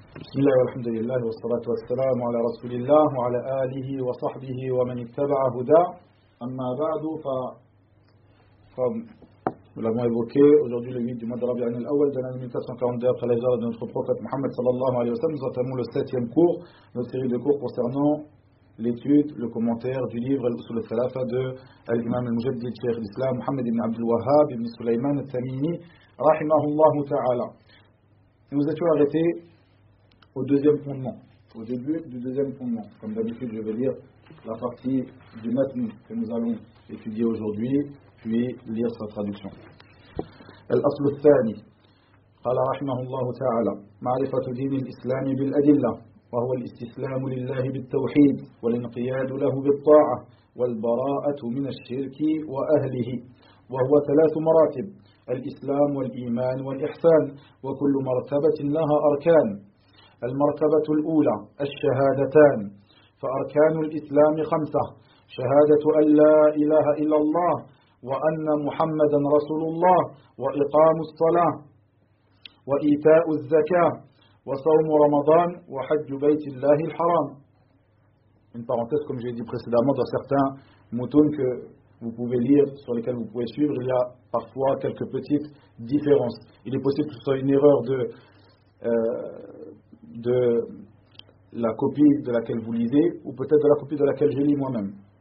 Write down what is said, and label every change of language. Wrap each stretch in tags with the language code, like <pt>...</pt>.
<ar>بسم الله والحمد لله والصلاة والسلام على رسول الله وعلى آله وصحبه ومن اتبع هداه. أما بعد</ar> <fr>nous l'avons évoqué aujourd'hui le 8 du mois de Rabi' al-Awwal de l'année 1442 après l'hijra de notre prophète Mohammed sallallahu alayhi wa sallam. Nous entamons le 7e cours, notre série de cours concernant l'étude, le commentaire du livre Al-Usul al-Thalatha de l'imam al-Mujaddid Cheikh d'Islam Mohammed ibn Abdul Wahhab ibn Sulayman al-Thamimi rahimahullahu ta'ala. Nous étions arrêtés au deuxième fondement, au début du deuxième fondement. Comme d'habitude, je vais lire la partie du matn que nous allons étudier aujourd'hui, puis lire sa traduction.</fr> <ar>Al-Asl al-Thani, qala rahimahullahu ta'ala, ma'rifatu din al-Islam bil-adillah, wa huwa al-istislamu lillahi bil-tawhid, wal-inqiyadu lahu bil-ta'ah, wal-bara'atu min al-shirki wa ahlihi, wa huwa thalath maratib, الإسلام والإيمان والإحسان وكل مرتبة لها أركان. المرتبة الأولى الشهادتان، فأركان الإسلام خمسة: شهادة أن لا إله إلا الله وأن محمدا رسول الله وإقام الصلاة وإيتاء الزكاة وصوم رمضان وحج بيت الله الحرام.</ar> <fr>Une parenthèse, comme j'ai dit précédemment, dans certains moutons que vous pouvez lire, sur lesquels vous pouvez suivre, il y a parfois quelques petites différences. Il est possible que ce soit une erreur de la copie de laquelle vous lisez, ou peut-être de la copie de laquelle je lis moi-même.</fr>